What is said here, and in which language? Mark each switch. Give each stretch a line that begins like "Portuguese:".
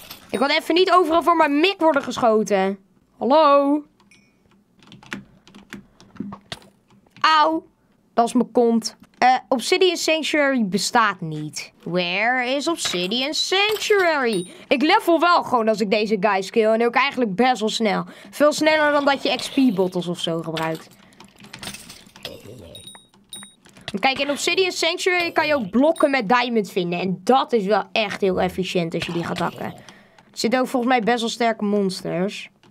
Dutch: Ik wil even niet overal voor mijn mik worden geschoten. Hallo? Auw. Dat is mijn kont. Obsidian Sanctuary bestaat niet.
English: Where is Obsidian Sanctuary?
Dutch: Ik level wel gewoon als ik deze guy skill. En ook eigenlijk best wel snel. Veel sneller dan dat je XP bottles of zo gebruikt. Kijk, in Obsidian Sanctuary kan je ook blokken met diamond vinden. En dat is wel echt heel efficiënt als je die gaat hakken. Er zitten ook volgens mij best wel sterke monsters.